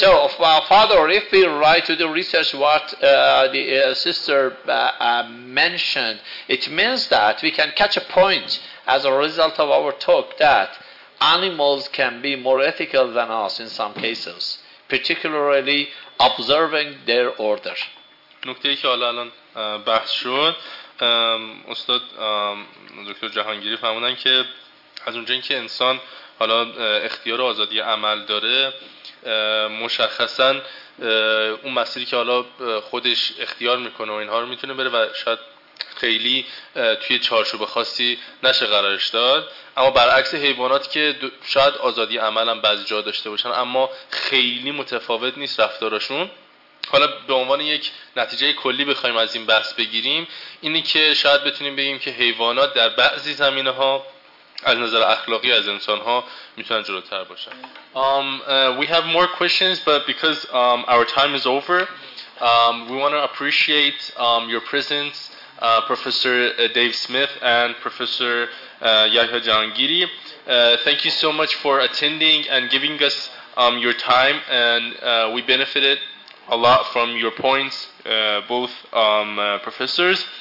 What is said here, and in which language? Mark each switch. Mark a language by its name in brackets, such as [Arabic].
[English] So, Father, if we write to the research what the sister mentioned, it means that we can catch a point as a result of our talk that animals can be more ethical than us in some cases, particularly observing their order. [Persian] نکته‌ای که حالا الان بحث شد استاد دکتر جهانگیری فهموندن که از اونجایی که انسان حالا اختیار و آزادی عمل داره مشخصا اون مسیری که حالا خودش اختیار میکنه و اینها رو میتونه بره و شاید خیلی توی چارچوب خاصی نشه قرارش داد، اما برعکس حیوانات که شاید آزادی عمل هم بعضی جا داشته باشن اما خیلی متفاوت نیست رفتارشون. حالا به عنوان یک نتیجه کلی بخوایم از این بحث بگیریم، اینی که شاید بتونیم بگیم که حیوانات در بعضی زمینه‌ها از نظر اخلاقی از انسان‌ها میتونن جلوتر باشن. [English] We have more questions, but because our time is over, we want to appreciate your presence, Professor Dave Smith and Professor Yahya Jahangiri. Thank you so much for attending and giving us your time, and we benefited a lot from your points, both professors.